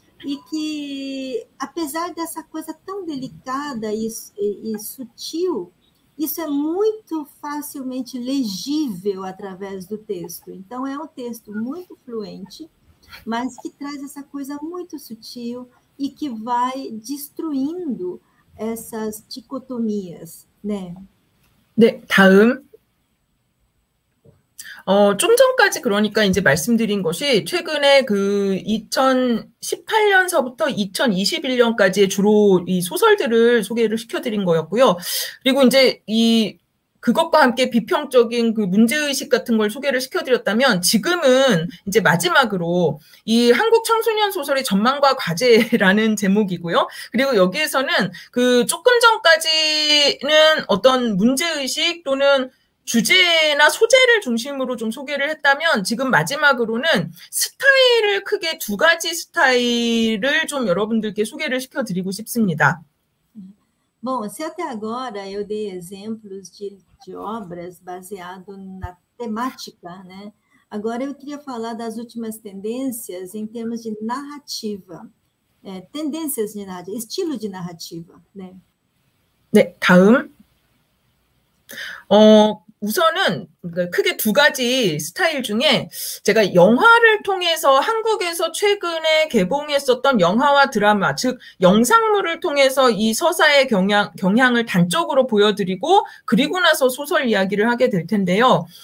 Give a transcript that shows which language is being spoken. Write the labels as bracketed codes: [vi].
[pt] E que apesar dessa coisa tão delicada e sutil, isso é muito facilmente legível através do texto. Então é um texto muito fluente, mas que traz essa coisa muito sutil e que vai destruindo essas dicotomias, né? [ko] 네, 다음. 좀 전까지 그러니까 이제 말씀드린 것이 최근에 그 2018년서부터 2021년까지의 주로 이 소설들을 소개를 시켜드린 거였고요. 그리고 이제 이 그것과 함께 비평적인 그 문제의식 같은 걸 소개를 시켜드렸다면 지금은 이제 마지막으로 이 한국 청소년 소설의 전망과 과제라는 제목이고요. 그리고 여기에서는 그 조금 전까지는 어떤 문제의식 또는 주제나 소재를 중심으로 좀 소개를 했다면 지금 마지막으로는 스타일을 크게 두 가지 스타일을 좀 여러분들께 소개를 시켜드리고 싶습니다. [pt] Bom, se até agora eu dei exemplos de obras baseado na temática, né? Agora eu queria falar das últimas tendências em termos de narrativa. Tendências de narrativa, estilo de narrativa, né? [ko] 네, 다음. 우선은 크게 두 가지 스타일 중에 제가 영화를 통해서 한국에서 최근에 개봉했었던 영화와 드라마, 즉 영상물을 통해서 이 서사의 경향을 단적으로 보여드리고 그리고 나서 소설 이야기를 하게 될 텐데요.